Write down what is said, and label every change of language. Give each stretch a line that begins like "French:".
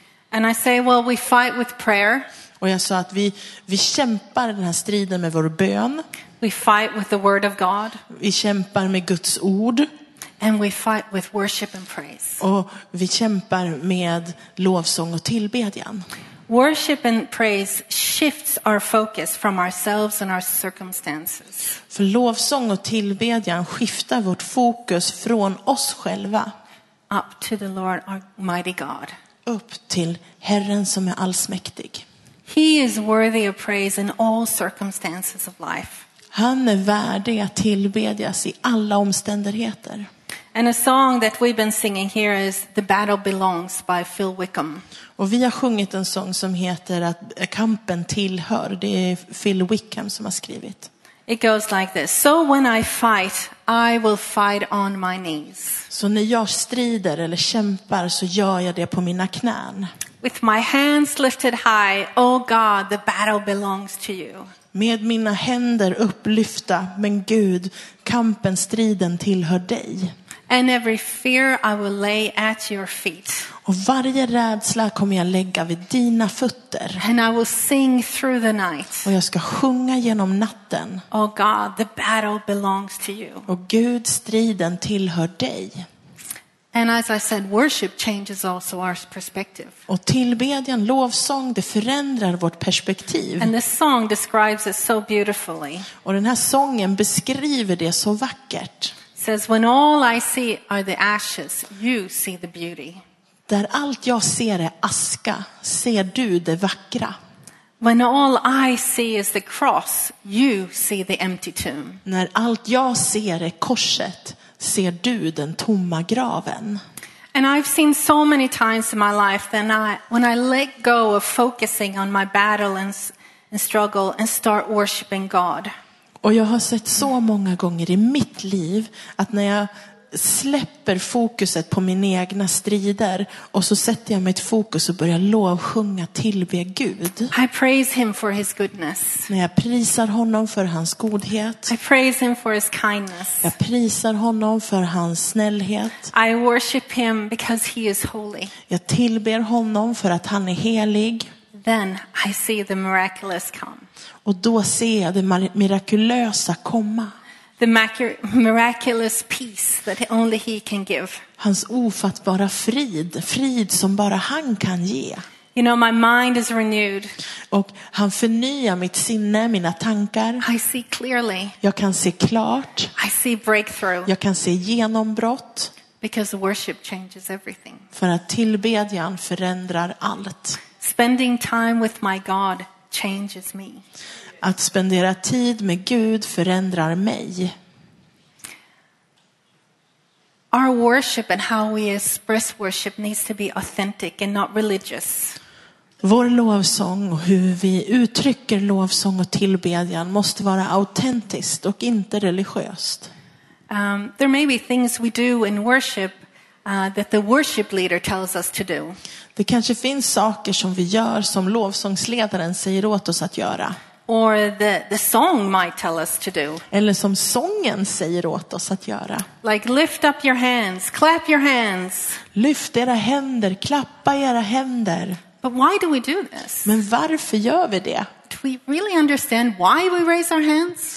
English: And I say, well, we fight with prayer.
Swedish: Och jag sa att vi kämpar den här striden med vår bön.
English: We fight with the word of God.
Swedish: Vi kämpar med Guds ord.
English: And we fight with worship and praise.
Swedish: Och vi kämpar med lovsång och tillbedjan.
English: Worship and praise shifts our focus from ourselves and our circumstances.
Swedish: För lovsång och tillbedjan skiftar vårt fokus från oss själva.
English: Up to the Lord, our mighty God.
Swedish: Upp till Herren som är allsmäktig.
English: He is worthy of praise in all circumstances of life.
Swedish: Han är värdig att tillbedjas i alla omständigheter.
English: And a song that we've been singing here is The Battle Belongs by Phil Wickham.
Swedish: Och vi har sjungit en sång som heter att kampen tillhör. Det är Phil Wickham som har skrivit.
English: It goes like this. So when I fight, I will fight on my knees.
Swedish: Så när jag strider eller kämpar så gör jag det på mina knän.
English: With my hands lifted high, oh God, the battle belongs to you.
Swedish: Med mina händer upplyfta, men Gud, kampen, striden tillhör dig.
English: And every fear I will lay at your feet.
Swedish: Och varje rädsla kommer jag lägga vid dina fötter.
English: And I will sing through the night.
Swedish: Och jag ska sjunga genom natten.
English: Oh God, the battle belongs to you.
Swedish: Och Gud, striden tillhör dig.
English: And as I said, worship changes also our perspective.
Swedish: Och tillbedjan, lovsång, det förändrar vårt perspektiv.
English: And this song describes it so beautifully.
Swedish: Och den här sången beskriver det så vackert.
English: Says when all I see are the ashes, you see the beauty.
Swedish: Där allt jag ser är aska, ser du det vackra.
English: When all I see is the cross, you see the empty tomb.
Swedish: När allt jag ser är korset, ser du den tomma graven.
English: And I've seen so many times in my life that when I let go of focusing on my battle and struggle and start worshiping God.
Swedish: Och jag har sett så många gånger i mitt liv att när jag släpper fokuset på mina egna strider och så sätter jag mitt fokus och börjar lovsjunga, tillbe Gud.
English: I praise him for his goodness.
Swedish: När jag prisar honom för hans godhet.
English: I praise him for his kindness.
Swedish: Jag prisar honom för hans snällhet.
English: I worship him because he is holy.
Swedish: Jag tillber honom för att han är helig.
English: Then I see the miraculous come.
Swedish: Och då ser jag det mirakulösa komma.
English: The miraculous peace that only he can give.
Swedish: Hans ofattbara frid, frid som bara han kan ge.
English: You know, my mind is renewed.
Swedish: Och han förnyar mitt sinne, mina tankar.
English: I see clearly.
Swedish: Jag kan se klart.
English: I see breakthrough.
Swedish: Jag kan se genombrott.
English: Because worship changes everything.
Swedish: För att tillbedjan förändrar allt.
English: Spending time with my God changes me.
Swedish: Att spendera tid med Gud förändrar mig.
English: Our worship and how we express worship needs to be authentic and not religious.
Swedish: Vår lovsång och hur vi uttrycker lovsång och tillbedjan måste vara autentiskt och inte religiöst.
English: There may be things we do in worship that the worship leader tells us to do.
Swedish: Det kanske finns saker som vi gör som lovsångsledaren säger åt oss att göra.
English: Or the song might tell us to do.
Swedish: Eller som sången säger åt oss att göra.
English: Like lift up your hands, clap your hands.
Swedish: Lyft era händer, klappa era händer.
English: But why do we do this?
Swedish: Men varför gör vi det?
English: Do we really understand why we raise our hands?